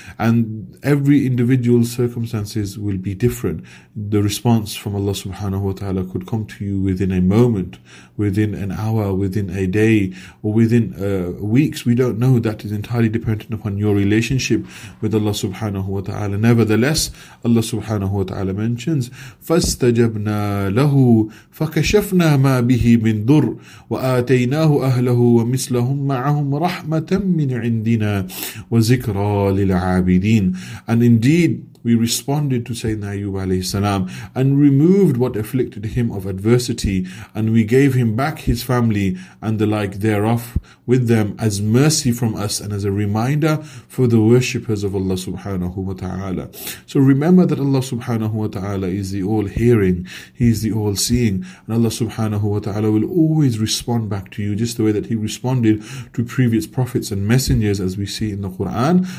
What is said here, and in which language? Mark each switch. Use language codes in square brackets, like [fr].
[en] And every individual circumstances will be different. The response from Allah subhanahu wa ta'ala could come to you within a moment, within an hour, within a day, or within weeks. We don't know. That is entirely dependent upon your relationship with Allah subhanahu wa ta'ala. Nevertheless, Allah subhanahu wa ta'ala mentions, [ar] فَاسْتَجَبْنَا لَهُ فَكَشَفْنَا مَا بِهِ مِنْ ضُرْ وَآتَيْنَاهُ أَهْلَهُ وَمِثْلَهُمْ مَعَهُمْ رَحْمَةً مِّنْ عِنْدِنَا وَذِكْرَى لِلْعَابِدِينَ. [en] And indeed, we responded to Sayyidina Ayyub alayhi salam and removed what afflicted him of adversity, and we gave him back his family and the like thereof with them as mercy from us and as a reminder for the worshippers of Allah subhanahu wa ta'ala. So remember that Allah subhanahu wa ta'ala is the all-hearing, He is the all-seeing, and Allah subhanahu wa ta'ala will always respond back to you just the way that He responded to previous prophets and messengers, as we see in the Quran.